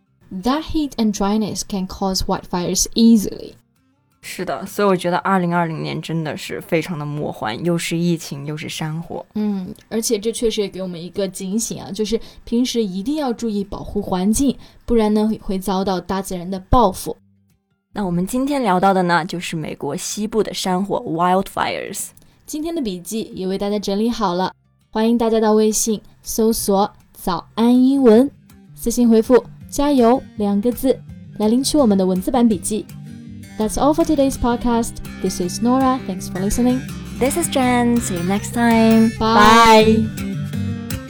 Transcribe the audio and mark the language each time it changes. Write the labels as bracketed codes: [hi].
[en] That heat and dryness can cause wildfires easily. [zh] 是的，所以我觉得2020年真的是非常的魔幻，又是疫情又是山火。嗯，而且这确实也给我们一个警醒啊，就是平时一定要注意保护环境，不然呢会遭到大自然的报复。那我们今天聊到的呢，就是美国西部的山火 wildfires。今天的笔记也为大家整理好了，欢迎大家到微信搜索早安英文，私信回复加油两个字来领取我们的文字版笔记。 [en] That's all for today's podcast. This is Nora. Thanks for listening. This is Jen. See you next time. Bye. Bye.